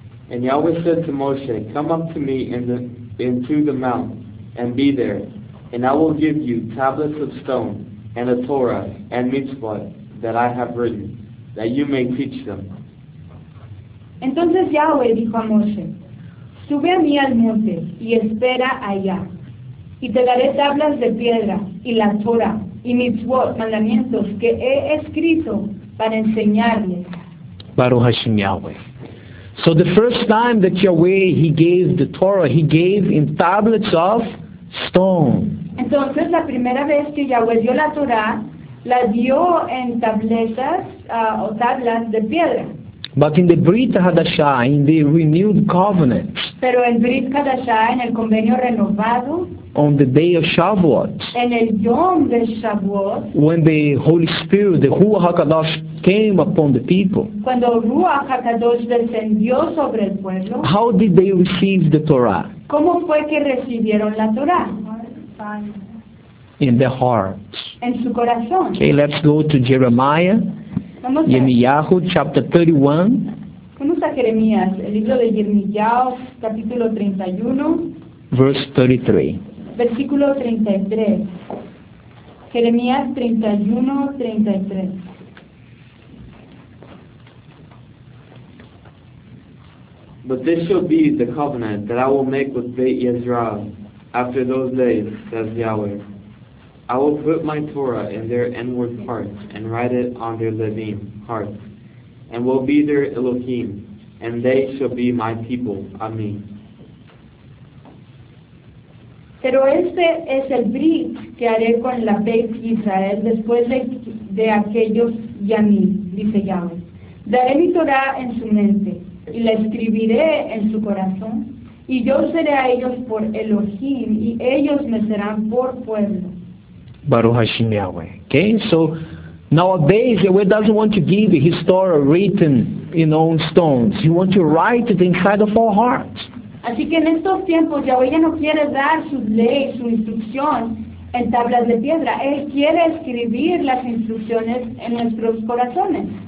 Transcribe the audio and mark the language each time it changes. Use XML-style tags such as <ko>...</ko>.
<en>And Yahweh said to Moshe, "Come up to me into the mount, and be there, and I will give you tablets of stone, and a Torah, and mitzvot that I have written, that you may teach them."</en> <es>Entonces Yahweh dijo a Moshe, "Sube a mí al monte, y espera allá. Y te daré tablas de piedra, y la Torah, y mitzvot, mandamientos que he escrito para enseñarles."</es> <he>Baruch Hashem Yahweh.</he> <en>So the first time that Yahweh, he gave the Torah, he gave in tablets of stone.</en> <es>Entonces la primera vez que Yahweh dio la Torah, la dio en tabletas o tablas de piedra.</es> <en>But in the Brit Hadashah, in the renewed covenant.</en> <es>Pero en Brit Hadashah, en el convenio renovado.</es> <en>On the day of Shavuot.</en> <es>En el Yom de Shavuot.</es> <en>When the Holy Spirit, the Ruach HaKadosh, came upon the people.</en> <es>Cuando Ruach HaKadosh descendió sobre el pueblo.</es> <en>How did they receive the Torah?</en> <es>¿Cómo fue que recibieron la Torah?</es> <en>In their hearts.</en> <es>En su corazón.</es> <en>Okay, let's go to Jeremiah. Yemiyahu, chapter 31.</en> <es>Vamos a Jeremías, el libro de Yemiyahu, capítulo 31.</es> <en>Verse 33.</en> <es>Versículo 33. Jeremías 31, 33.</es> <en>But this shall be the covenant that I will make with Beit Yisrael after those days, says Yahweh. I will put my Torah in their inward parts and write it on their levim hearts, and will be their Elohim, and they shall be my people. Amen.</en> <es>Pero este es el brit que haré con la Beit Israel después de aquellos Yamim, dice Yahweh. Daré mi Torah en su mente, y la escribiré en su corazón, y yo seré a ellos por Elohim, y ellos me serán por pueblo.</es> <he>Baruch Hashem Yahweh.</he> <en>Okay, so nowadays Yahweh doesn't want to give his Torah written on stones. He wants to write it inside of our hearts.</en> <es>Así que en estos tiempos Yahweh ya no quiere dar su ley, su instrucción en tablas de piedra. Él quiere escribir las instrucciones en nuestros corazones.</es>